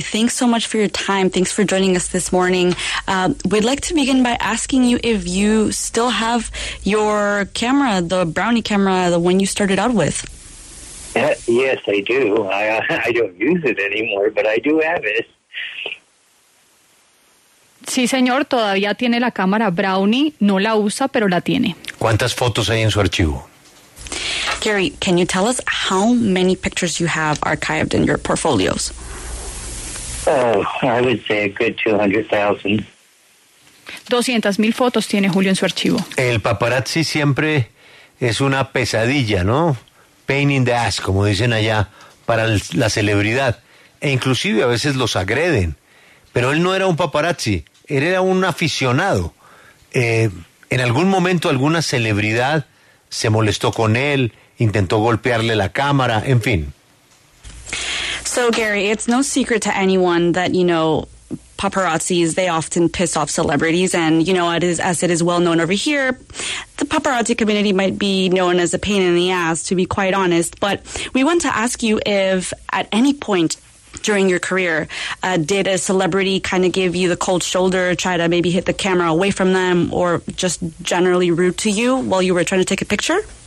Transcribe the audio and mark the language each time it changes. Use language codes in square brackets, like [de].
[en] Thanks so much for your time. Thanks for joining us this morning. We'd like to begin by asking you if you still have your camera, the Brownie camera, the one you started out with. Yes, I do. I don't use it anymore, but I do have it. [es] Sí, señor, todavía tiene la cámara Brownie. No la usa, pero la tiene. ¿Cuántas fotos hay en su archivo? [en] Gary, can you tell us how many pictures you have archived in your portfolios? Oh, I would say a good 200,000. [es] 200,000 fotos tiene Julio en su archivo. El paparazzi siempre es una pesadilla, ¿no? [en] Pain in the ass, [es] como dicen allá, para la celebridad. E inclusive a veces los agreden. Pero él no era un paparazzi, él era un aficionado. En algún momento alguna celebridad se molestó con él, intentó golpearle la cámara, en fin. [en] So, Gary, it's no secret to anyone that, you know, paparazzis, they often piss off celebrities. And, you know, as it is well known over here, the paparazzi community might be known as a pain in the ass, to be quite honest. But we want to ask you if at any point during your career, did a celebrity kind of give you the cold shoulder, try to maybe hit the camera away from them, or just generally rude to you while you were trying to take a picture?